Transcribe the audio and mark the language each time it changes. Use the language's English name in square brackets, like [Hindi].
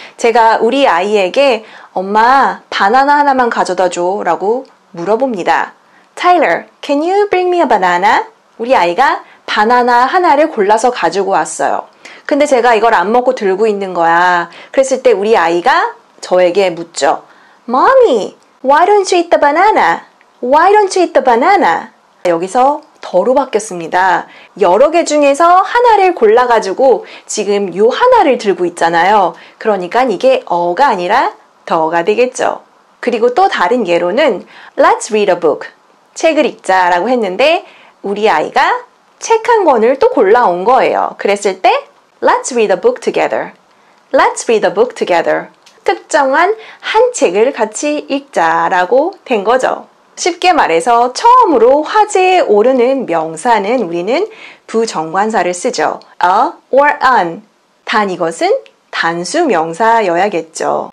[Korean] 제가 우리 아이에게 엄마 바나나 하나만 가져다 줘 라고 물어봅니다. [English] Tyler, can you bring me a banana? [Korean] 우리 아이가 바나나 하나를 골라서 가지고 왔어요. 근데 제가 이걸 안 먹고 들고 있는 거야. 그랬을 때 우리 아이가 저에게 묻죠. [English] Mommy, why don't you eat the banana? Why don't you eat the banana? [Korean] 여기서 더로 바뀌었습니다. 여러 개 중에서 하나를 골라가지고 지금 요 하나를 들고 있잖아요. 그러니까 이게 어가 아니라 더가 되겠죠. 그리고 또 다른 예로는 [English] Let's read a book. [Korean] 책을 읽자 라고 했는데 우리 아이가 책 한 권을 또 골라온 거예요. 그랬을 때 [English] Let's read a book together. Let's read a book together. [Korean] 특정한 한 책을 같이 읽자 라고 된 거죠. 쉽게 말해서 처음으로 화제에 오르는 명사는 우리는 부정관사를 쓰죠. [English] A or an. [Korean] 단 이것은 단수 명사여야겠죠.